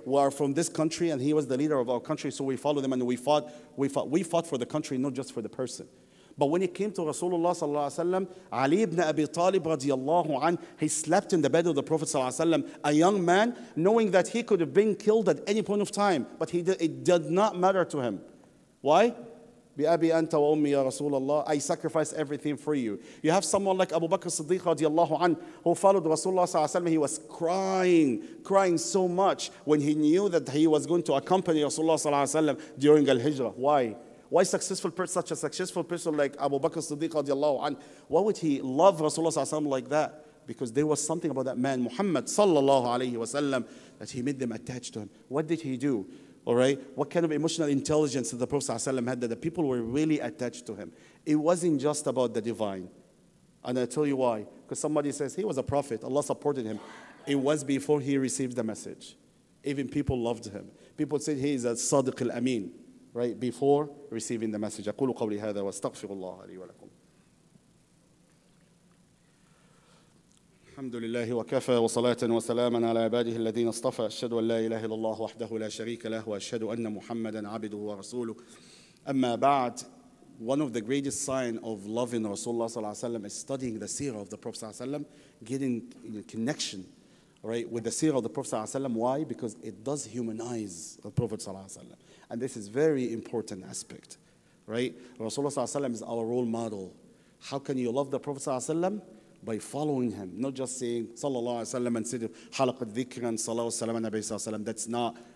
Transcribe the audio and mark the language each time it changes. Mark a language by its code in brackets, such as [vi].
[en] We are from this country and he was the leader of our country, so we followed him and we fought for the country, not just for the person. But when it came to Rasulullah Sallallahu Alaihi Wasallam, Ali ibn Abi Talib radiallahu anh, he slept in the bed of the Prophet Sallallahu Alaihi Wasallam, a young man, knowing that he could have been killed at any point of time, but it did not matter to him. Why? [ar] بِأَبِي أَنْتَ وَأُمِّي يَا رَسُولَ اللَّهِ [en] I sacrifice everything for you. You have someone like Abu Bakr Siddiq radiallahu anh, who followed Rasulullah Sallallahu Alaihi Wasallam. He was crying so much when he knew that he was going to accompany Rasulullah Sallallahu Alaihi Wasallam during Al-Hijrah. Why? Why such a successful person like Abu Bakr Siddiq radiallahu anh, why would he love Rasulullah Sallallahu Alaihi Wasallam like that? Because there was something about that man, Muhammad Sallallahu Alaihi Wasallam, that he made them attached to him. What did he do? All right, what kind of emotional intelligence did the Prophet ﷺ had that the people were really attached to him? It wasn't just about the divine. And I'll tell you why. Because somebody says he was a prophet, Allah supported him. It was before he received the message. Even people loved him. People said he is a Sadiq al-Amin, right? Before receiving the message. [ar] أَقُولُ قَوْلِ هَذَا وَاسْتَغْفِرُ اللَّهَ لِي وَلَكُمْ الحمد لله وكفى وصلاة وسلاما على عباده الذين اصطفى أشهد أن لا إله إلا الله وحده لا شريك له وأشهد أن محمدا عبده ورسوله أما بعد [en] One of the greatest signs of loving Rasulullah [ar] صلى الله عليه وسلم [en] is studying the seerah of the Prophet [ar] صلى الله عليه وسلم [en] getting in connection right with the seerah of the Prophet [ar] صلى الله عليه وسلم [en] Why? Because it does humanize the Prophet [ar] صلى الله عليه وسلم [en] And this is very important aspect right Rasulullah صلى الله عليه وسلم is our role model How can you love the Prophet صلى الله عليه وسلم? By following him, not just saying sallallahu alaihi wasallam and said halaqat dhikr and salawat wa salam nabi sallallahu alaihi wasallam.